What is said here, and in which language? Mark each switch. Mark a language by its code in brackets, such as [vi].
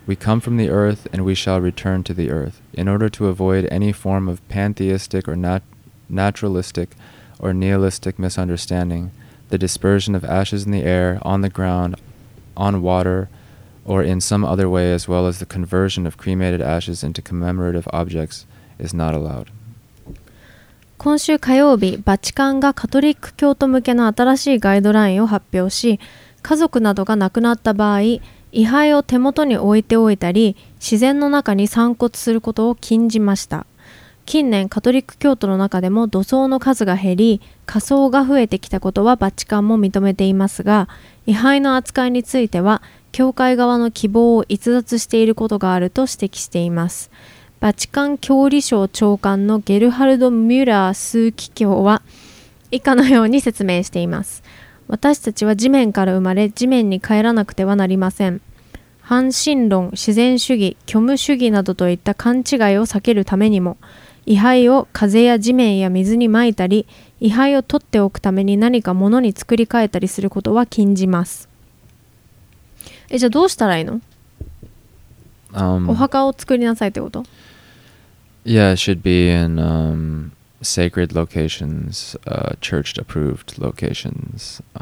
[en] We come from the earth and we shall return to the earth. In order to avoid any form of pantheistic or naturalistic or nihilistic misunderstanding, the dispersion of ashes in the air, on the ground, on water, or in some other way, as well as the conversion of cremated ashes into commemorative objects, is not allowed. [ja] 今週火曜日、バチカンがカトリック教徒向けの新しいガイドラインを発表し、家族などが亡くなった場合、遺灰を手元に置いておいたり、自然の中に散骨することを禁じました。近年、カトリック教徒の中でも土葬の数が減り、火葬が増えてきたことはバチカンも認めていますが、遺灰の扱いについては、教会側の希望を逸脱していることがあると指摘しています。バチカン教理省長官のゲルハルド・ミュラー枢機卿は、以下のように説明しています。私たちは地面から生まれ、地面に帰らなくてはなりません。反神論、自然主義、虚無主義などといった勘違いを避けるためにも、遺灰を風や地面や水に撒いたり、遺灰を取っておくために何か物に作り変えたりすることは禁じます。じゃあどうしたらいいの？お墓を作りなさいってこと？ [en] Yeah, it should be in sacred locations, church-approved locations.